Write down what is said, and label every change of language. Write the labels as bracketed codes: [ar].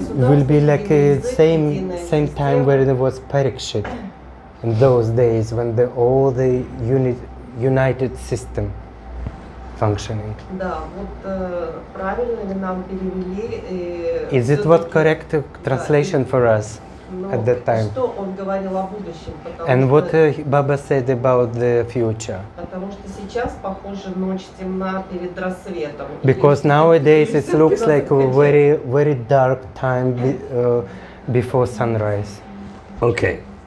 [en] Will be like the same time where there was Parikshit, in those days when all the united system. Functioning. [ru] Да, вот правильно ли нам перевели? [en] Is it what correct translation [ru] да, [en] for us at that time? [ru] Что он говорил о будущем? [en] And what Baba said about the future? [ru] Потому что сейчас похоже ночь темна перед рассветом. [en] Because nowadays it looks like a very very dark time before sunrise. Okay.